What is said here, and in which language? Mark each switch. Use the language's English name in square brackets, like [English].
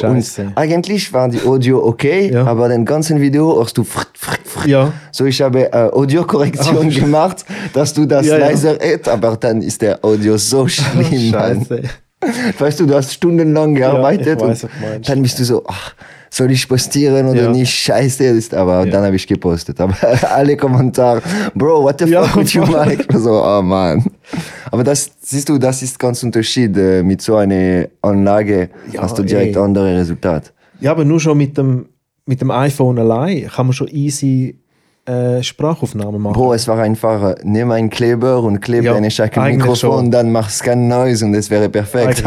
[German] Oh, und eigentlich war die Audio okay, aber den ganzen Video hörst du... So, ich habe Audio-Korrektion gemacht, dass du das leiser hörst, aber dann ist der Audio so schlimm. Oh, scheiße. Weißt du, du hast stundenlang gearbeitet und dann bist du so... Ach, soll ich postieren oder nicht? Scheiße, ist aber dann habe ich gepostet. Aber alle Kommentare, [English] Bro, what the fuck would you like? [German] So, oh man. Aber das, siehst du, das ist ganz Unterschied. Mit so einer Anlage hast du direkt andere Resultate. Ja, aber nur schon mit dem iPhone allein kann man schon easy Sprachaufnahmen machen. Bro, es war einfacher. Nimm einen Kleber und klebe eine Scheibe Mikrofon und dann mach Scan Noise und es wäre perfekt.